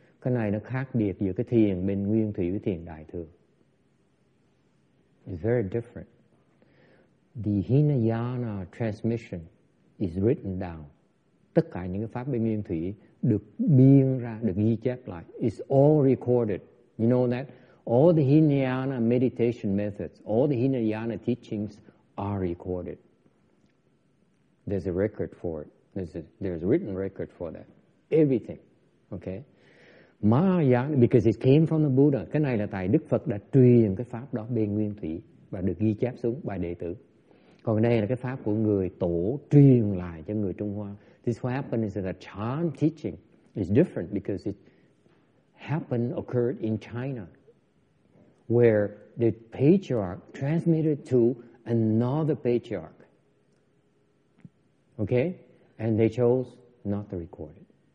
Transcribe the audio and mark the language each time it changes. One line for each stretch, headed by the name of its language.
Vietnamese: Cái này nó khác biệt giữa cái thiền bên nguyên thủy với thiền đại thừa.
English: It's very different. The Hinayana transmission is written down.
Vietnamese: Tất cả những cái pháp bên nguyên thủy được biên ra, được ghi chép lại.
English: It's all recorded. You know that? All the Hinayana meditation methods, all the Hinayana teachings are recorded. There's a record for it. There's a written record for that. Everything. Okay? Mahayana, because it came from the Buddha.
Vietnamese: Cái này là tại Đức Phật đã truyền cái pháp đó bên nguyên thủy và được ghi chép xuống bài đệ tử. Còn đây là cái pháp của người tổ truyền lại cho người Trung Hoa.
English: This what happened is that the Chan teaching is different because it occurred in China, where the patriarch transmitted to another patriarch. Okay? And they chose not to record it.